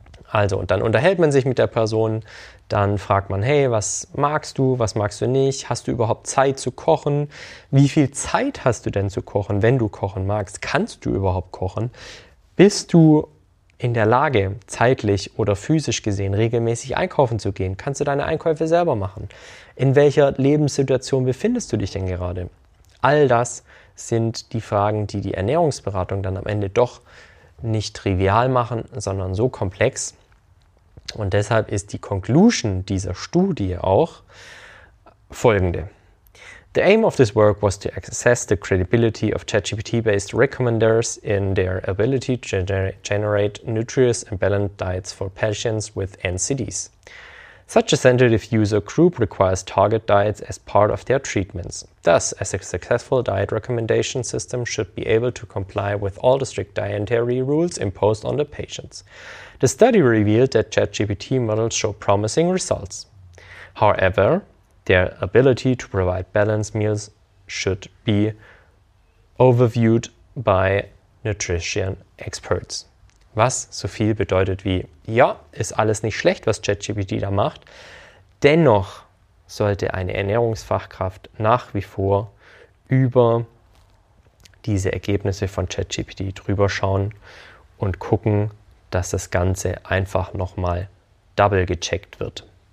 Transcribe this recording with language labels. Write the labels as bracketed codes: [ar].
[de] Also, und dann unterhält man sich mit der Person, dann fragt man, hey, was magst du nicht, hast du überhaupt Zeit zu kochen, wie viel Zeit hast du denn zu kochen, wenn du kochen magst, kannst du überhaupt kochen, bist du in der Lage, zeitlich oder physisch gesehen regelmäßig einkaufen zu gehen, kannst du deine Einkäufe selber machen, in welcher Lebenssituation befindest du dich denn gerade? All das sind die Fragen, die die Ernährungsberatung dann am Ende doch nicht trivial machen, sondern so komplex. Und deshalb ist die Conclusion dieser Studie auch folgende. [en] The aim of this work was to assess the credibility of ChatGPT-based recommenders in their ability to generate nutritious and balanced diets for patients with NCDs. Such a sensitive user group requires target diets as part of their treatments. Thus, a successful diet recommendation system should be able to comply with all the strict dietary rules imposed on the patients. The study revealed that ChatGPT models show promising results. However, their ability to provide balanced meals should be overviewed by nutrition experts. [de] Was so viel bedeutet wie, ja, ist alles nicht schlecht, was ChatGPT da macht. Dennoch sollte eine Ernährungsfachkraft nach wie vor über diese Ergebnisse von ChatGPT drüber schauen und gucken, dass das Ganze einfach nochmal double gecheckt wird.